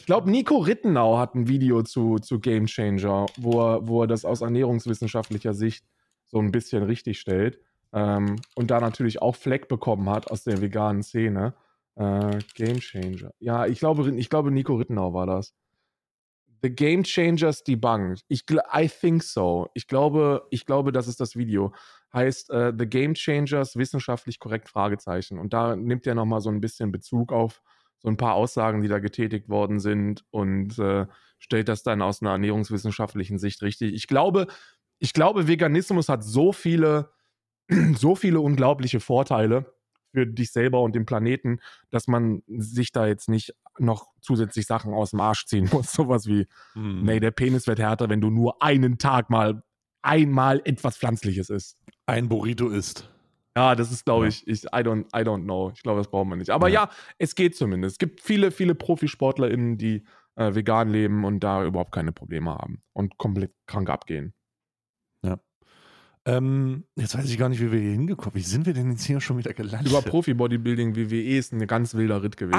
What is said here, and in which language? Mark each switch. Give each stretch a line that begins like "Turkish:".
German: Ich glaube, Nico Rittenau hat ein Video zu Game Changer, wo er das aus ernährungswissenschaftlicher Sicht so ein bisschen richtig stellt. Und da natürlich auch Fleck bekommen hat aus der veganen Szene. Game Changer. Ja, ich glaube, Nico Rittenau war das.
English: The Game Changers Debunked. I think so.
German: Ich glaube, das ist das Video. Heißt The Game Changers wissenschaftlich korrekt? Fragezeichen. Und da nimmt er nochmal so ein bisschen Bezug auf so ein paar Aussagen, die da getätigt worden sind und stellt das dann aus einer ernährungswissenschaftlichen Sicht richtig. Ich glaube, Veganismus hat so viele unglaubliche Vorteile für dich selber und den Planeten, dass man sich da jetzt nicht noch zusätzlich Sachen aus dem Arsch ziehen muss. Sowas wie, nee, der Penis wird härter, wenn du nur einen Tag mal einmal etwas Pflanzliches isst. Ein Burrito isst. Ja, das ist, glaube ich,
English: I don't know.
German: Ich glaube, das braucht man nicht. Aber es geht zumindest. Es gibt viele, viele ProfisportlerInnen, die vegan leben und da überhaupt keine Probleme haben und komplett krank abgehen. Jetzt weiß ich gar nicht, wie wir hier hingekommen sind. Wie sind wir denn jetzt hier schon wieder gelandet? Über Profi-Bodybuilding, WWE ist ein ganz wilder Ritt gewesen.